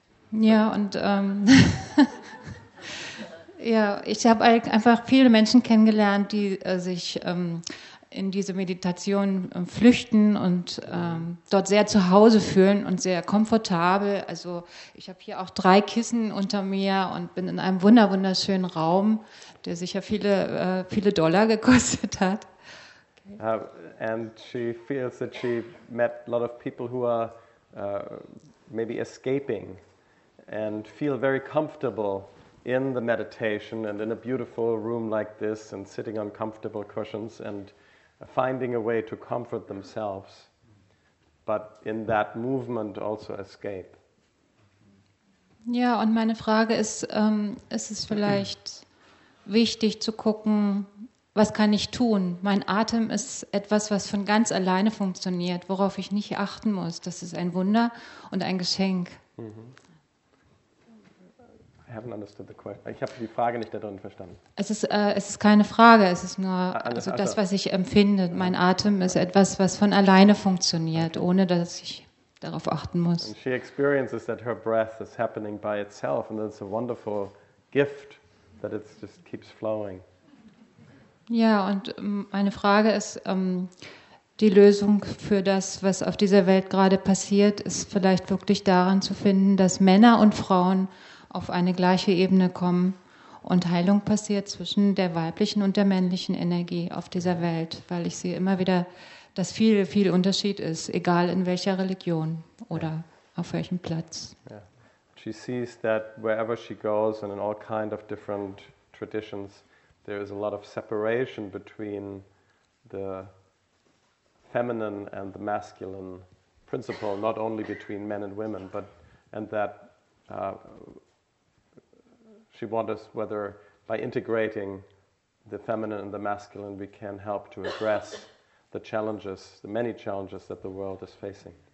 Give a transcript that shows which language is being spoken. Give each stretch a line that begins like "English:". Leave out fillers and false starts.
German: Ja, und ja, ich habe einfach viele Menschen kennengelernt, die sich in diese Meditation flüchten und dort sehr zu Hause fühlen und sehr komfortabel. Also ich habe hier auch drei Kissen unter mir und bin in einem wunderschönen Raum, der sicher viele Dollar gekostet hat. Okay.
English: And she feels that she met a lot of people who are maybe escaping and feel very comfortable in the meditation and in a beautiful room like this and sitting on comfortable cushions and finding a way to comfort themselves, but in that movement also escape.
German: Ja, und meine Frage ist, ist es vielleicht wichtig zu gucken, was kann ich tun? Mein Atem ist etwas, was von ganz alleine funktioniert, worauf ich nicht achten muss. Das ist ein Wunder und ein Geschenk. Mm-hmm.
English: I haven't understood the question.
German: Ich habe die Frage nicht darin verstanden. Es ist keine Frage, es ist nur also das, was ich empfinde. Mein Atem ist etwas, was von alleine funktioniert, ohne dass ich darauf achten muss.
English: And she experiences that her breath is happening by itself and it's a wonderful gift that it just keeps flowing.
German: Ja, und meine Frage ist, die Lösung für das, was auf dieser Welt gerade passiert, ist vielleicht wirklich daran zu finden, dass Männer und Frauen auf eine gleiche Ebene kommen und Heilung passiert zwischen der weiblichen und der männlichen Energie auf dieser Welt, weil ich sehe immer wieder dass viel, viel Unterschied ist, egal in welcher Religion oder auf welchem Platz. Yeah.
English: She sees that wherever she goes and in all kind of different traditions, there is a lot of separation between the feminine and the masculine principle, not only between men and women, but and that she wonders whether by integrating the feminine and the masculine we can help to address the challenges, the many challenges that the world is facing.